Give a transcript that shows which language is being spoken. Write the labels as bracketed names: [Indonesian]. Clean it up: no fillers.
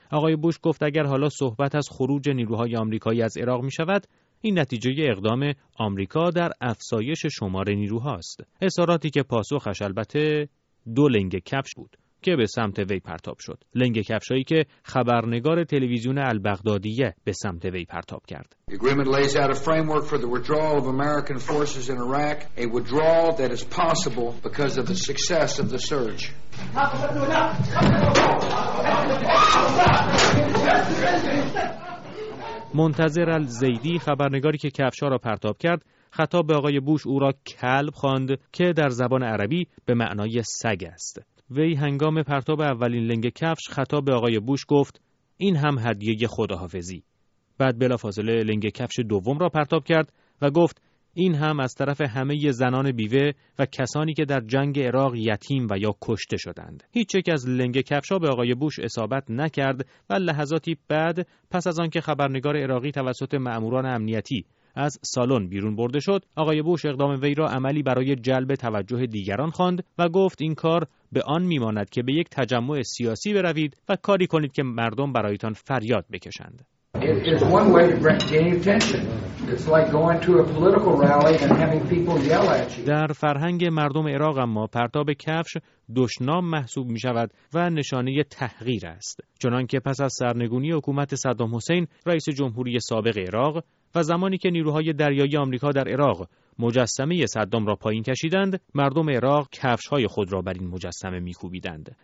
[Persian] آقای بوش گفت اگر حالا صحبت از خروج نیروهای آمریکایی از عراق می شود، این نتیجه اقدام آمریکا در افزایش شمار نیروهاست. اظهاراتی که پاسخش البته دو لنگ کفش بود که به سمت وی پرتاب شد. لنگ کفشایی که خبرنگار تلویزیون البغدادیه به سمت وی پرتاب کرد. [English] The agreement lays out a framework for the withdrawal of American forces in Iraq, a withdrawal that is possible because of the success of the surge. [Persian] منتظر الزیدی، خبرنگاری که کفشا را پرتاب کرد، خطاب به آقای بوش او را کلب خواند که در زبان عربی به معنای سگ است. وی هنگام پرتاب اولین لنگ کفش خطاب به آقای بوش گفت این هم هدیه خداحافظی. بعد بلافاصله لنگ کفش دوم را پرتاب کرد و گفت این هم از طرف همه زنان بیوه و کسانی که در جنگ عراق یتیم و یا کشته شدند. هیچ یک از لنگ کفشا به آقای بوش اصابت نکرد و لحظاتی بعد پس از آنکه خبرنگار عراقی توسط ماموران امنیتی از سالن بیرون برده شد، آقای بوش اقدام وی را عملی برای جلب توجه دیگران خواند و گفت این کار به آن میماند که به یک تجمع سیاسی بروید و کاری کنید که مردم برایتان فریاد بکشند. [English] It's one way to gain attention. It's like going to a political rally and having people yell at you. [Persian] در فرهنگ مردم عراق اما پرتاب کفش دشنام محسوب می شود و نشانه تحقیر است. چنانکه پس از سرنگونی حکومت صدام حسین رئیس جمهوری سابق عراق و زمانی که نیروهای دریایی آمریکا در عراق مجسمه صدام را پایین کشیدند، مردم عراق کفش‌های خود را بر این مجسمه می‌کوبیدند.